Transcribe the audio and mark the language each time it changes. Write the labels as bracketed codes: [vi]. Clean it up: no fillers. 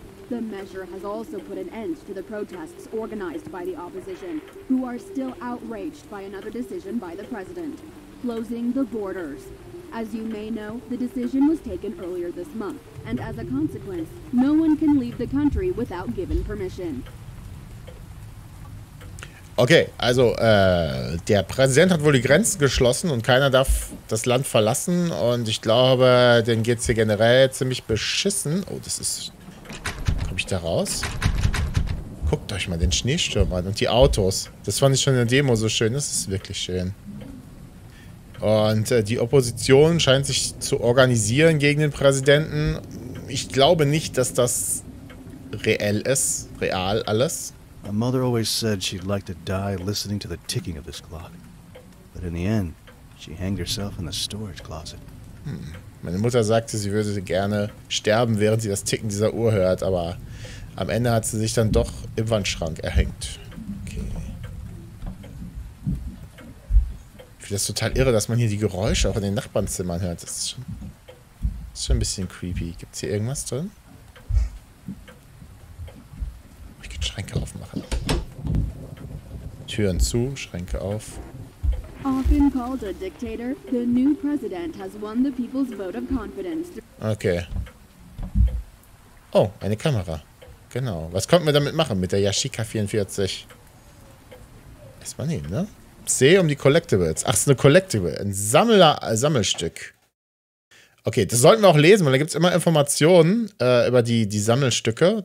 [en] The measure has also put an end to the protests organized by the opposition, who are still outraged by another decision by the president, closing the borders. As you may know, the decision was taken earlier this month, and as a consequence, no one can leave the country without given permission. [de] Okay, also der Präsident hat wohl die Grenzen geschlossen und keiner darf das Land verlassen, und ich glaube, denen geht's hier generell ziemlich beschissen. Oh, das ist... Komme ich da raus? Guckt euch mal den Schneesturm an und die Autos. Das fand ich schon in der Demo so schön. Das ist wirklich schön. Und die Opposition scheint sich zu organisieren gegen den Präsidenten. Ich glaube nicht, dass das reell ist. Real alles. [en] My mother always said she'd like to die listening to the ticking of this clock. But in the end, she hanged herself in the storage closet. [de] Meine Mutter sagte, sie würde gerne sterben, während sie das Ticken dieser Uhr hört, aber am Ende hat sie sich dann doch im Wandschrank erhängt. Okay. Ich finde das total irre, dass man hier die Geräusche auch in den Nachbarnzimmern hört. Das ist schon ein bisschen creepy. Gibt es hier irgendwas drin? Ich kann Schränke aufmachen. Türen zu, Schränke auf. [en] Often called a dictator, the new president has won the people's vote of confidence. [de] Okay. Oh, eine Kamera. Genau. Was konnten wir damit machen mit der Yashica 44? Erstmal nehmen, ne? C um die Collectibles. Ach, es ist eine Collectible. Ein Sammelstück. Okay, das sollten wir auch lesen, weil da gibt es immer Informationen über die Sammelstücke.